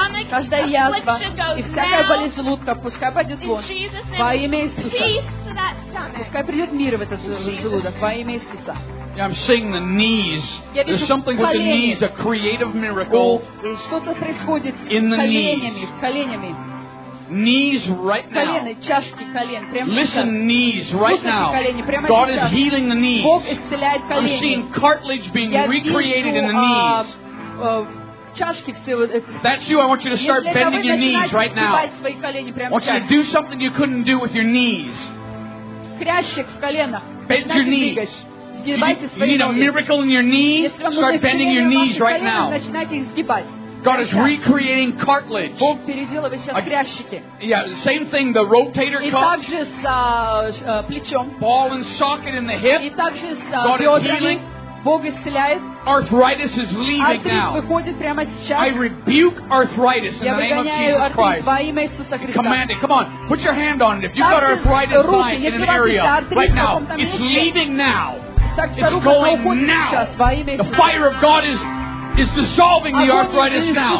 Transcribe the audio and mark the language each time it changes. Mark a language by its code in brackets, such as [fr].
[ru] Каждая язва и всякая болезнь желудка пускай пойдет вон во имя Иисуса. Пускай придет мир в этот желудок во имя Иисуса. [en] I'm seeing the knees. There's something with the knees, a creative miracle. [ru] Что-то происходит с коленями, [en] Knees right now. [ru] Колени, чашки колен, прямо. [en] Listen, knees right now. God is healing the knees. [ru] Бог исцеляет колени. [en] I'm seeing cartilage being recreated in the knees. That's you. I want you to start bending your knees right now. I want you to do something you couldn't do with your knees. [ru] Крящик в коленах. [en] Bend your knees. You need a miracle in your knees. Start bending your knees right now. God is recreating cartilage. [ru] Бог переделывает сейчас крящики. [en] Yeah, same thing. The rotator cuff. [ru] И также с плечом. [en] Ball and socket in the hip. [ru] И также с [en] God is healing. [ru] Бог исцеляет. [en] Arthritis is leaving now. [ru] Артрит выходит прямо сейчас. [en] I rebuke arthritis in the name of Jesus Christ. [ru] Во имя Иисуса Христа. [en] Command it. Come on, put your hand on it. If you've got arthritis in an area right now, it's leaving now. It's going now. The fire of God is dissolving the arthritis now.